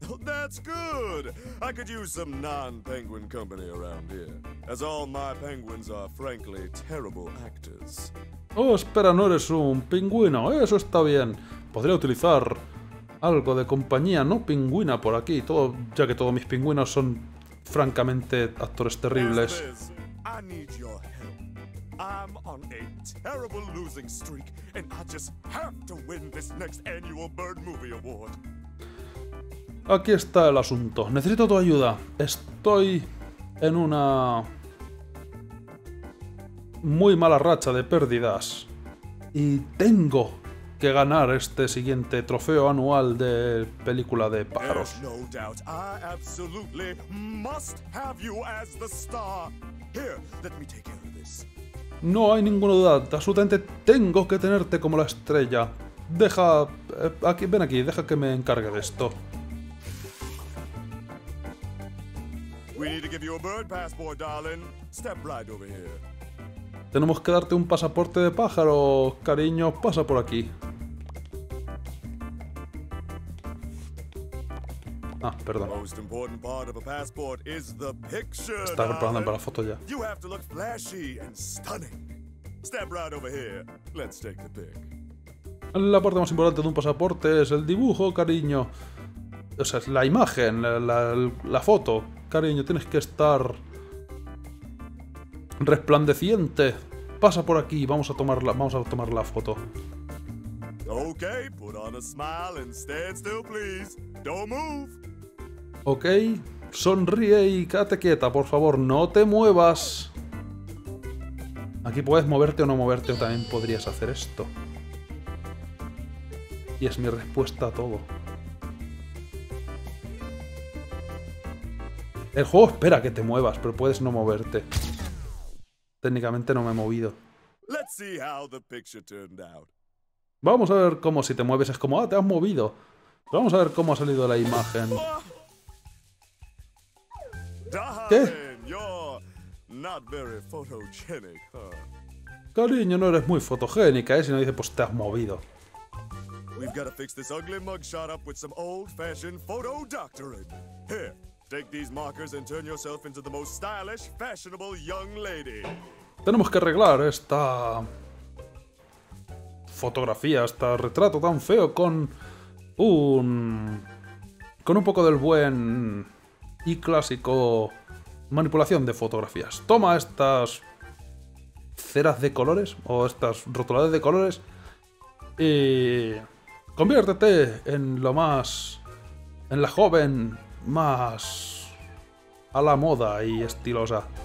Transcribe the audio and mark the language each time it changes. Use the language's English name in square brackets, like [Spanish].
[English] That's good. I could use some non-penguin company around here, as all my penguins are frankly terrible actors. [Spanish] Oh, espera, no eres un pingüino. Eso está bien. Podría utilizar algo de compañía no pingüina por aquí, todo, ya que todos mis pingüinos son francamente actores terribles. [English] I need your help. I'm on a terrible losing streak, and I just have to win this next annual Bird Movie Award. [Spanish] Aquí está el asunto. Necesito tu ayuda. Estoy en una muy mala racha de pérdidas y tengo que ganar este siguiente trofeo anual de película de pájaros. No hay duda. [English] I absolutely must have you as the star. Here, let me take care of this. [Spanish] No hay ninguna duda. Absolutamente tengo que tenerte como la estrella. Deja aquí, ven aquí, deja que me encargue de esto. [English] We need to give you a bird passport, darling. Step right over here. [Spanish] Tenemos que darte un pasaporte de pájaro, cariño. Pasa por aquí. Ah, perdón. [English] The most important part of a passport is the picture. [Spanish] Está preparando para la foto ya. [English] You have to look flashy and stunning. Step right over here. Let's take the pic. [Spanish] La parte más importante de un pasaporte es el dibujo, cariño. O sea, es la imagen, la foto. Cariño, tienes que estar resplandeciente. Pasa por aquí, vamos a tomar la foto. [English] Okay, put on a smile and stand still, please. Don't move. [Spanish] Okay, sonríe y quédate quieta, por favor, no te muevas. Aquí puedes moverte o no moverte, o también podrías hacer esto. Y es mi respuesta a todo. El juego espera que te muevas, pero puedes no moverte. Técnicamente no me he movido. [English] Let's see how the picture turned out. [Spanish] Vamos a ver cómo, si te mueves, es como, ah, te has movido. Vamos a ver cómo ha salido la imagen. [English] ¿Qué? You're not very photogenic, huh? [Spanish] Cariño, no eres muy fotogénica, ¿eh? Si no dice, pues te has movido. [English] We've gotta fix this ugly mugshot up with some old-fashioned photo doctoring. Here, take these markers and turn yourself into the most stylish, fashionable young lady. [Spanish] Tenemos que arreglar esta fotografía, este retrato tan feo con un poco del buen y clásico manipulación de fotografías. Toma estas ceras de colores o estas rotuladas de colores y conviértete en lo más, en la joven más a la moda y estilosa.